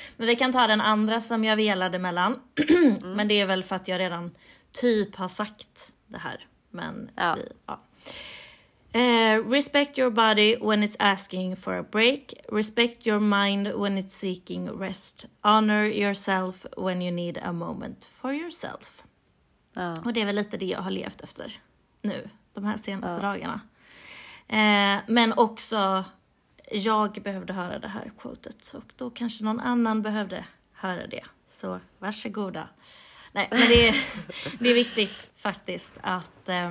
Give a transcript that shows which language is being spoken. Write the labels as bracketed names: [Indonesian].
[Swedish] Men vi kan ta den andra som jag velade mellan. Mm. Men det är väl för att jag redan typ har sagt det här. Men ja. Vi, ja. [English] Respect your body when it's asking for a break. Respect your mind when it's seeking rest. Honor yourself when you need a moment for yourself. [Swedish] Ja. Och det är väl lite det jag har levt efter nu, de här senaste ja. Dagarna. Men också, jag behövde höra det här quotet. Och då kanske någon annan behövde höra det. Så varsågoda. Nej, men det är viktigt faktiskt att...